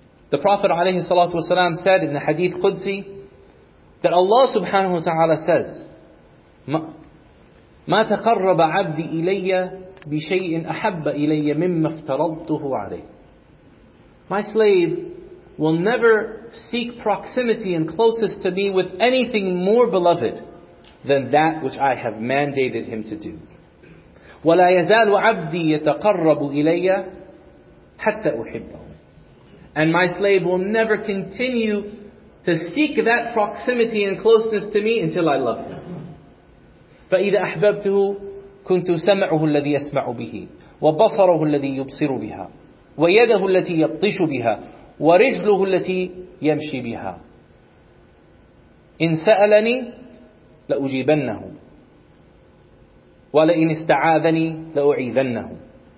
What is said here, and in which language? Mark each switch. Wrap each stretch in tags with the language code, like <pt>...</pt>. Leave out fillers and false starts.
<en>The Prophet alayhi salatu wasalam said in the hadith Qudsi that Allah subhanahu wa ta'ala says,</en> <ar>ما تقرب عبدي إلي بشيء أحب إلي مما افترضته عليه.</ar> <en>My slave will never seek proximity and closest to me with anything more beloved than that which I have mandated him to do.</en> <ar>ولا يزال عبدي يتقرب إلي حتى أحبه.</ar> <en>And my slave will never continue to seek that proximity and closeness to me until I love him.</en> <ar>فَإِذَا أَحْبَبْتُهُ كُنْتُ سَمْعُهُ الَّذِي يَسْمَعُ بِهِ وَبَصَرُهُ الَّذِي يُبْصِرُ بِهَا وَيَدَهُ الَّتِي يَبْطِشُ بِهَا وَرِجْلُهُ الَّتِي يَمْشِي بِهَا إِنْ سَأَلَنِي لَأُجِيبَنَّهُ وَلَئِنْ اسْتَعَاذَنِي لَأُعِيذَنَّهُ.</ar>